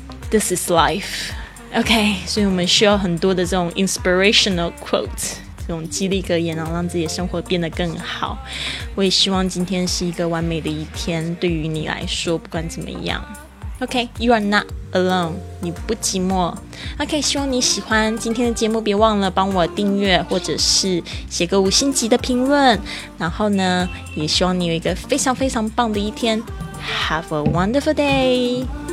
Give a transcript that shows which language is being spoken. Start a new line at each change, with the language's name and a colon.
Chinese: This is life, OK, 所以我们需要很多的这种 inspirational quotes,这种激励格言，然后让自己的生活变得更好。我也希望今天是一个完美的一天，对于你来说不管怎么样
English: OK, you are not alone, 你不寂寞。
Chinese: OK, 希望你喜欢今天的节目，别忘了帮我订阅或者是写个五星级的评论，然后呢也希望你有一个非常非常棒的一天。 Have a wonderful day.